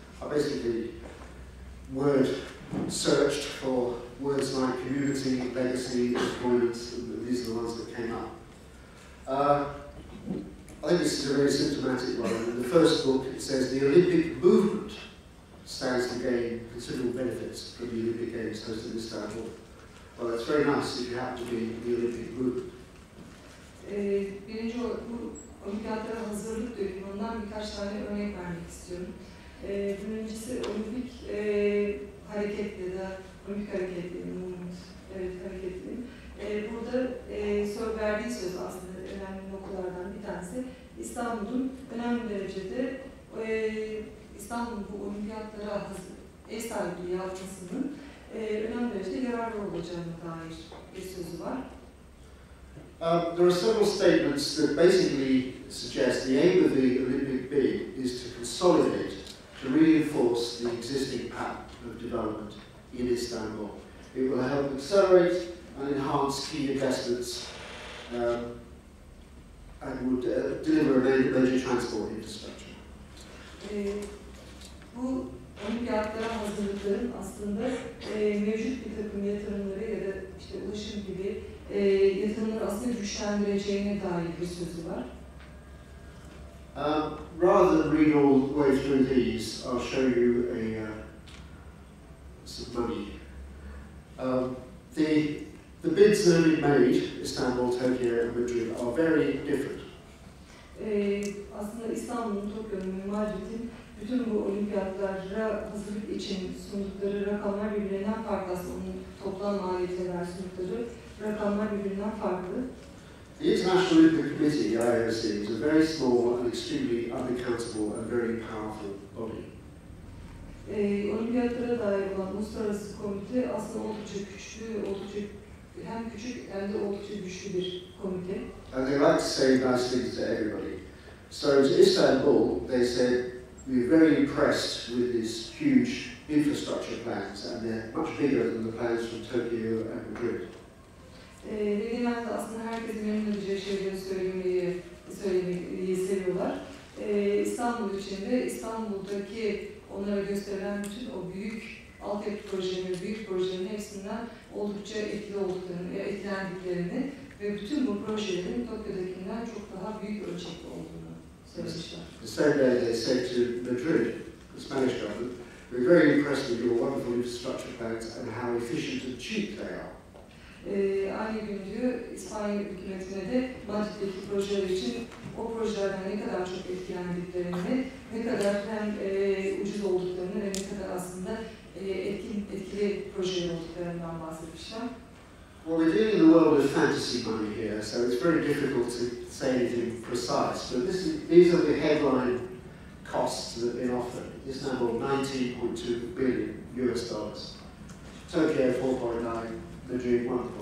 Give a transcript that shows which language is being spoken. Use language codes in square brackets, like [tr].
[en] I basically word searched for words like community, legacy, employment, and these are the ones that came up. I think this is a very symptomatic one. In the first book, it says the Olympic movement stands to gain considerable benefits from the Olympic Games hosted in Istanbul. Well, that's very nice if you happen to be the Olympic movement. [tr] Birinci bu olimpiyatlara hazırlık dönemi, ondan birkaç tane örnek vermek istiyorum. Birincisi olimpik hareketli de, olimpik hareketli, umut, evet hareketli. Burada verdiği söz aslında önemli noktalardan bir tanesi, İstanbul'un önemli derecede İstanbul'un bu olimpiyatlara ev sahipliği yapmasının önemli derecede yararlı olacağına dair bir sözü var. [en] There are several statements that basically suggest the aim of the Olympic bid is to consolidate, to reinforce the existing path of development in Istanbul. It will help accelerate and enhance key investments and would deliver a major transport infrastructure. [tr] Bu olimpiyatlara hazırlıkların aslında mevcut bir takım yatırımları ya da işte ulaşım gibi yatırımları aslında güçlendireceğine dair bir sözü var. [en] Rather than read all the way through these, I'll show you some money. The bids that have been made, Istanbul, Tokyo and Madrid, are very different. [tr] Aslında İstanbul'un, Tokyo'nun, Madrid'in bütün bu olimpiyatlara hazırlık için sundukları rakamlar birbirinden farklı aslında. Toplam maliyetler sundukları rakamlar birbirinden farklı. [en] The International Olympic Committee, the IOC, is a very small and extremely unaccountable and very powerful body. [tr] Olimpiyatlara dair olan Uluslararası Komite aslında oldukça küçük, oldukça hem küçük hem de oldukça güçlü bir komite. [en] And they like to say nice things to everybody. So to Istanbul, they said, we're very impressed with these huge infrastructure plans, and they're much bigger than the plans from Tokyo and Madrid. [tr] Dediğimde aslında herkesin önünde diyeceği şeyleri söylemeyi seviyorlar. İstanbul için de İstanbul'daki onlara gösterilen bütün o büyük altyapı projelerini, büyük projelerin hepsinden oldukça etkili olduklarını, etkilendiklerini ve bütün bu projelerin Tokyo'dakinden çok daha büyük ölçekli olduğunu. [en] The same day they said to Madrid, the Spanish government, we're very impressed with your wonderful infrastructure plans and how efficient and cheap they are. [tr] Aynı gün diyor, İspanya hükümetine de Madrid'deki projeler için o projelerden ne kadar çok etkilendiklerini, ne kadar hem ucuz olduklarını ve ne kadar aslında etkili projeler olduklarından bahsetmişler. [en] Well, we're dealing in the world of fantasy money here, so it's very difficult to say anything precise. But this is, these are the headline costs that they offer. This number, $19.2 billion, Tokyo 4.9, Madrid 1.9.